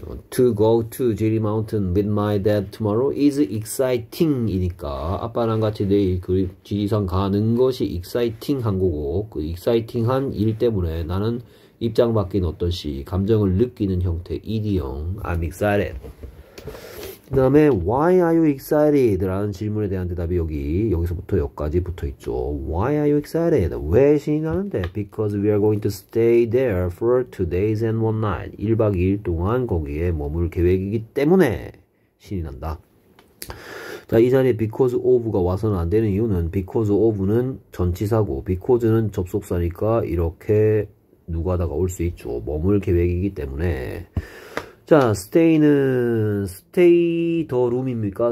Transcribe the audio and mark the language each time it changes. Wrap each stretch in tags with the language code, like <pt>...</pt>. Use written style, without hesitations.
<en>To go to</en> <ko>지리 마운틴</ko> <en>with my dad tomorrow is exciting</en> <ko>이니까 아빠랑 같이 내일 그 지리산 가는 것이 exciting한 거고 그 exciting한 일 때문에 나는 입장 바뀐 어떤 시 감정을 느끼는 형태 일이형</ko> <en>I'm excited.</en> <ko>그 다음에</ko> <en>Why are you excited?</en> <ko>라는 질문에 대한 대답이 여기서부터 여기까지 붙어 있죠.</ko> <en>Why are you excited?</en> <ko>왜 신이 나는데?</ko> <en>Because we are going to stay there for 2 days and 1 night.</en> <ko>1박 2일 동안 거기에 머물 계획이기 때문에 신이 난다. 자, 이 자리에 because of가 와서는 안 되는 이유는 because of는 전치사고 because는 접속사니까 이렇게 누가다가 올수 있죠. 머물 계획이기 때문에. 자, stay는 stay the room입니까?</ko>